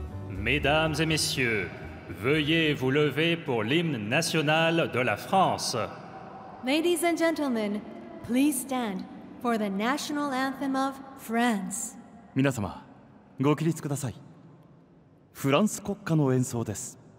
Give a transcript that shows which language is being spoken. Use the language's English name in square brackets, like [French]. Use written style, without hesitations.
[French] Mesdames et messieurs, veuillez vous lever pour l'hymne national de la France. [English] Ladies and gentlemen, please stand for the national anthem of France. [Japanese] 皆様、ご起立ください。フランス国歌の演奏です。